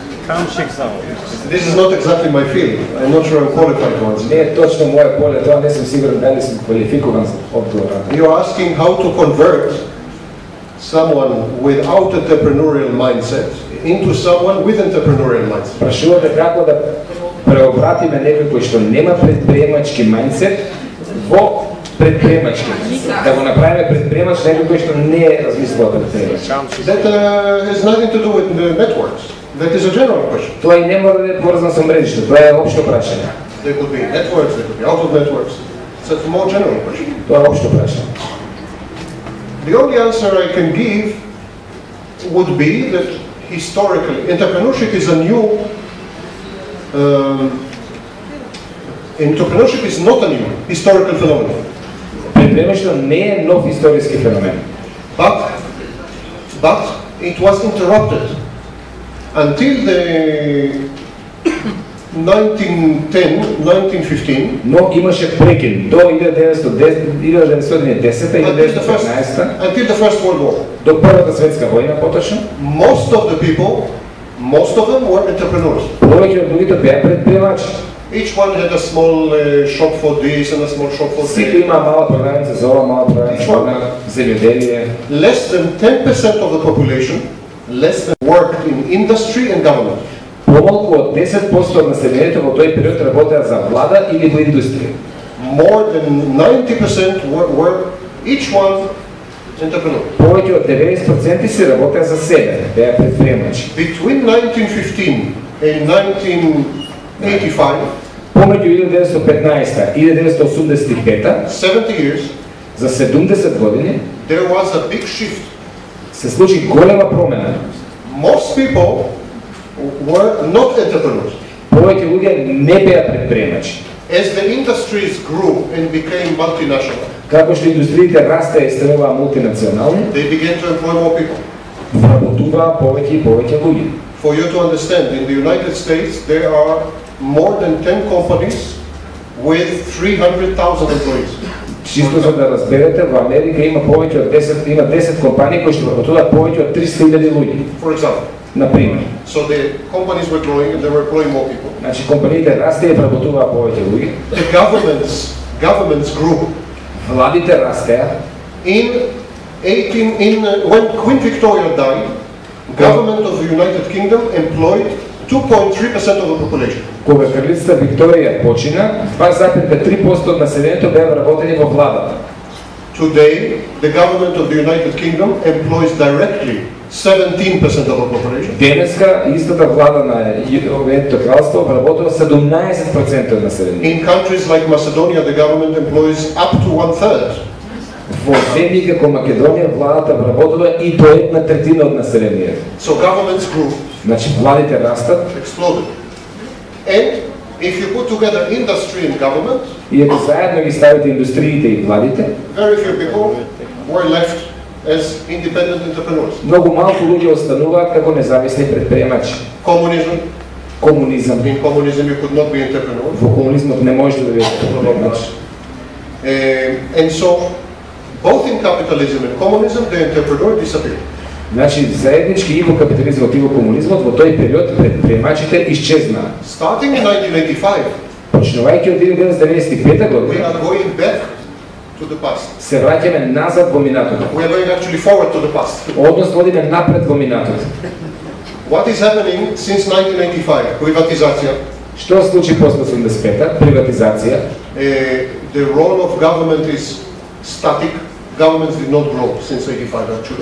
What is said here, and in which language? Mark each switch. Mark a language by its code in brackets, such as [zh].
[en] This is not exactly my field. I'm not sure I'm qualified to answer. [mk] Не е точно моја поле, тоа не сум сигурен дали сум квалификуван за одговор. [en] You are asking how to convert someone without entrepreneurial mindset into someone with entrepreneurial mindset. [mk] Прашувате како да преобратиме некој кој што нема предприемачки mindset во предприемачки. Да го направиме предприемач некој кој што не е размислувал предприемач. [en] That has nothing to do with the networks. That is a general question. [mk] Тоа и не мора да е поврзано со мрежите. Тоа е општо прашање. [en] There could be networks, there could be out of networks. So it's a more general question. [mk] Тоа е општо прашање. [en] The only answer I can give would be that historically entrepreneurship is a new entrepreneurship is not a new historical phenomenon. [mk] Предприемачите не е нов историски феномен. [en] But it was interrupted until the 1910, [mk] 1915, но имаше прекин до [en] 1910 и 1915, most of the people, most of them were entrepreneurs. [mk] Повеќе од луѓето беа предприемачи. [en] Each one had a small shop for this and a small shop for that. [mk] Сите има мала продавница за ова, мала продавница за земјоделие. [en] Less than 10% of the population, less than worked in industry and government. [mk] Помалку од 10% од населението во тој период работеа за влада или во индустрија. [en] More than 90% work each one entrepreneur. [mk] Повеќе од 90% се работеа за себе, беа предприемачи. [en] Between 1915 and 1985, [mk] помеѓу 1915 и 1985, [en] 70 years, [mk] за 70 години, [en] there was a big shift. [mk] Се случи голема промена. [en] Most people were not entrepreneurs. [mk] Повеќе луѓе не беа предприемачи. [en] As the industries grew and became multinational. [mk] Како што индустриите растеа и ставаа мултинационални, [en] they began to employ more people. [mk] Работуваа повеќе и повеќе луѓе. [en] For you to understand, in the United States there are more than 10 companies with 300,000 employees. [mk] Чисто за да разберете, во Америка има повеќе од 10, има 10 компании кои што работуваат повеќе од 300,000 луѓе. [en] For example, [mk] на пример. [en] So the companies were growing and they were employing more people. [mk] Значи компаниите растеа и вработуваа повеќе луѓе. [en] The governments grew. [mk] Владите растеа. [en] When Queen Victoria died, government of the United Kingdom employed 2.3% of the population. [mk] Кога кралица Викторија почина, 2.3% од населението беа вработени во владата. [en] Today, the government of the United Kingdom employs directly 17% of the population. [mk] Денеска истата влада на Уедното кралство вработува 17% од населението. [en] In countries like Macedonia, the government employs up to 1/3. [mk] Во земји како Македонија владата вработува и до 1/3 од населението. [en] So governments grow. [mk] Значи владите растат. [en] Exploded. And if you put together industry and government, [mk] и ако заедно ги ставите индустриите и владите, [en] very few people were left as independent entrepreneurs. [mk] Многу малку луѓе остануваат како независни предприемачи. Комунизм. Комунизм. [en] In communism you could not be entrepreneur. [mk] Во комунизмот не можеш да бидеш предприемач. [en] And so both in capitalism and communism the entrepreneur disappeared. [mk] Значи заеднички и во капитализмот и во комунизмот во тој период предприемачите исчезнаа. [en] Starting in 1985. [mk] Почнувајќи од 1995 година. [en] We are going back to the past. [mk] Се враќаме назад во минатото. [en] We are going actually forward to the past. [mk] Односно одиме напред во минатото. [en] What is happening since 1995? [mk] Приватизација. Што се случи после 1985? Приватизација. [en] The role of government is static. Governments did not grow since 1985, actually.